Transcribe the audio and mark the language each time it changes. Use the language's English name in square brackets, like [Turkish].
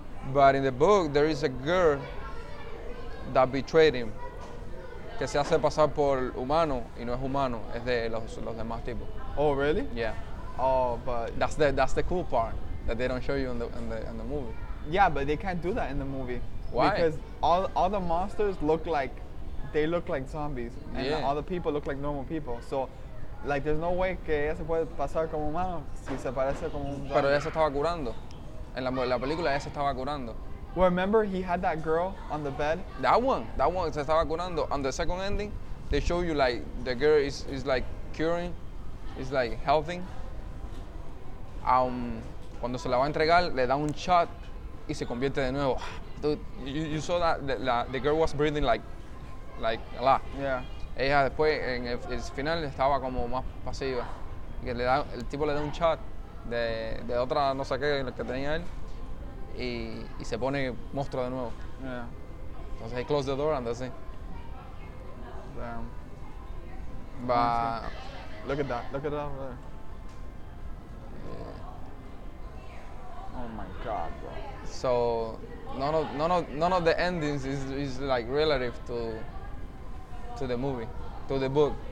[English] But in the book, there is a girl that betrayed him, [Spanish] que se hace pasar por humano y no es humano, es de los demás tipos. [English] Oh, really? Yeah. Oh, but that's the cool part that they don't show you in the movie. Yeah, but they can't do that in the movie. Why? Because all the monsters look like zombies, and yeah. All the people look like normal people. So, like, there's no way [Spanish] que ella se puede pasar como humano si se parece como un zombie. Pero ella se estaba curando. En la película ella se estaba curando. [English] Well, remember he had that girl on the bed. That one [Spanish] se estaba curando. [English] On the second ending, they show you like the girl is like curing, is like healthy. [Spanish] Cuando se la va a entregar, le da un shot. Y se convierte de nuevo. [English] Dude, you saw that the girl was breathing like a lot. Yeah. [Spanish] Ella después en el final estaba como más pasiva. Y el tipo le da un shot de otra no sé qué que tenía él y se pone monstruo de nuevo. [English] Yeah. [Spanish] Entonces [English] he closed the door and that's it. Damn. But look at that over there. Oh my God, bro. So, none of the endings is like relative to the movie, to the book.